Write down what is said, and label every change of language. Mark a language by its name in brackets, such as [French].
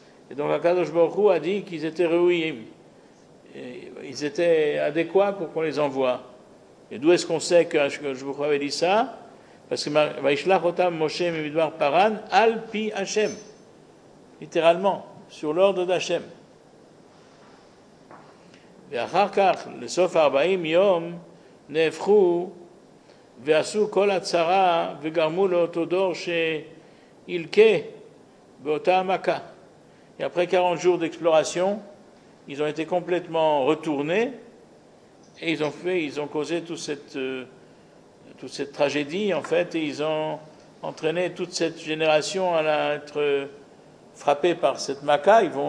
[French] Et donc Akadosh Baruchu a dit qu'ils étaient Reuim. Ils étaient adéquats pour qu'on les envoie. Et d'où est-ce qu'on sait que Akadosh Baruchu avait dit ça? Parce que [Hebrew] Vaishlach Otam Moshe Mimidbar Paran, Al Pi Hachem. [French] Littéralement, sur l'ordre d'Hachem. [Hebrew] ואחר כך, לסוף 40 יום, נהפכו ועשו כל הצרה וגרמו לאותו דור שילכה באותה המכה. [French] Et après 40 jours d'exploration, ils ont été complètement retournés et ils ont causé toute cette tragédie, en fait, et ils ont entraîné toute cette génération à être frappée par cette makkah.